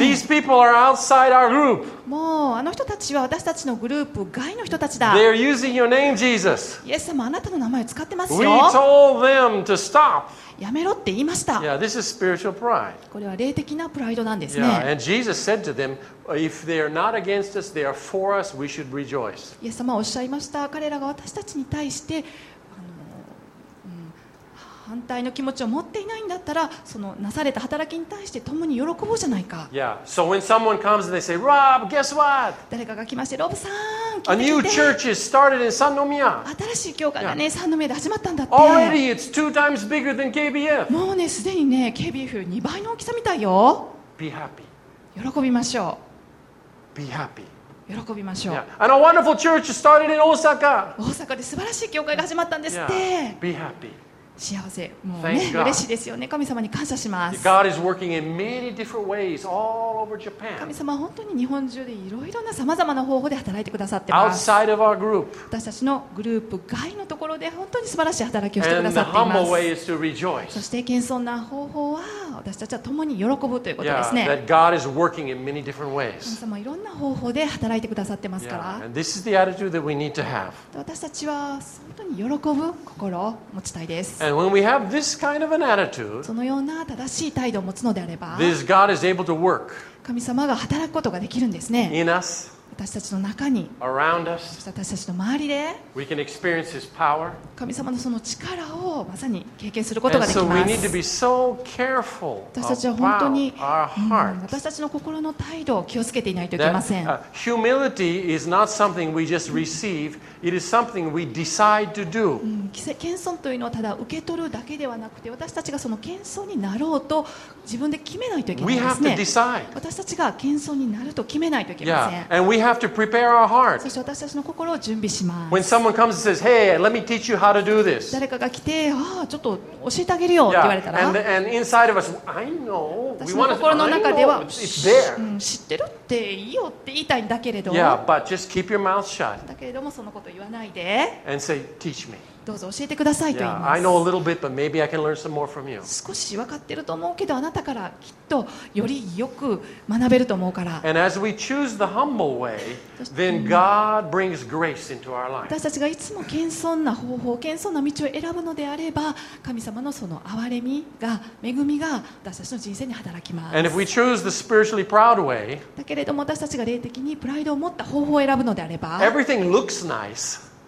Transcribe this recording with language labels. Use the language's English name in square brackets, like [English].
[English] These people are outside our group. [Japanese] もうあの人たちは私たちのグループ外の人たちだ。 [English] They're using your name, Jesus. [Japanese] イエス様、あなたの名前を使ってますよ。 [English] We told them to stop. [Japanese] やめろって言いました。 [English] Yeah, this is spiritual pride. [Japanese] これは霊的なプライドなんですね。 [English] Yeah, and Jesus said to them, if they are not against us, they are for us, we should rejoice. [Japanese] イエス様はおっしゃいました。彼らが私たちに対して反対の気持ちを持っていないんだったら、そのなされた働きに対して共に喜ぼうじゃないか。 [English] Yeah. So when someone comes and they say, Rob, guess what? [Japanese] 誰かが来まして、ロブさん、聞いてきて。 [English] A new church is started in San Nomiya. [Japanese] 新しい教会がね、サンノミヤで始まったんだって。 [English] Already it's two times bigger than KBF. [Japanese] もうね、すでにね、KBF 2倍の大きさみたいよ。 [English] Be happy. [Japanese] 喜びましょう。 [English] Be happy. [Japanese] 喜びましょう。 [English] Yeah. And a wonderful church started in Osaka. [Japanese] 大阪で素晴らしい教会が始まったんですって。 [English] Yeah. Be happy. [Japanese] 幸せ、もうね、嬉しいですよね。神様に感謝します。 [English] God is working in many different ways all over Japan. [Japanese] 神様は本当に日本中でいろいろなさまざまな方法で働いてくださってます。 [English] Outside of our group. [Japanese] 私たちのグループ外のところで本当に素晴らしい働きをしてくださっています。 [English] And the humble way is to rejoice. [Japanese] そして謙遜な方法は私たちは共に喜ぶということですね。 [English] Yeah, that God is working in many different ways. [Japanese] 神様はいろんな方法で働いてくださってますから。 [English] Yeah, and this is the attitude that we need to have. [Japanese] 私たちは本当に喜ぶ心を持ちたいです。 [English] And when we have this kind of an attitude, [Japanese] そのような正しい態度を持つのであれば、 [English] this God is able to work. [Japanese] 神様が働くことができるんですね。 [English] In us, [Japanese] 私たちの中に、 [English] around us, [Japanese] 私たちの周りで、 [English] we can experience His power. [Japanese] 神様のその力をまさに経験することができます。 [English] And so we need to be so careful. [Japanese] 私たちは本当に、 [English] our heart. [Japanese] 私たちの心の態度を気をつけていないといけません。 [English] Humility is not something we just receive. It is something we decide to do. [Japanese] 謙遜というのはただ受け取るだけではなくて、私たちがその謙遜になろうと自分で決めないといけないですね。 [English] We have to decide. [Japanese] 私たちが謙遜になると決めないといけません。 [English] Yeah. And we have to prepare our heart. [Japanese] そして私たちの心を準備します。 [English] When someone comes and says, "Hey, let me teach you how to do this." [Japanese] 誰かが来て、ああ、ちょっと教えてあげるよって言われたら、 [English] yeah. and inside of us, I know. [Japanese] 私の心の中では、 [English] it's there. [Japanese] 知ってるっていいよって言いたいんだけれど、 [English] yeah, but just keep your mouth shut. [Japanese] だけれどもそのこと。言わないで。 [English] And say, teach me. [Japanese] どうぞ教えてくださいと言います。 [English] Yeah, I know a little bit, but maybe I can learn some more from you. [Japanese] 少し分かってると思うけど、あなたからきっとよりよく学べると思うから。 [English] And as we choose the humble way, then God brings grace into our life. [Japanese] 私たちがいつも謙遜な方法、謙遜な道を選ぶのであれば、神様のその憐れみが、恵みが私たちの人生に働きます。 [English] And if we choose the spiritually proud way, [Japanese] だけれども私たちが霊的にプライドを持った方法を選ぶのであれば、 [English] everything looks nice.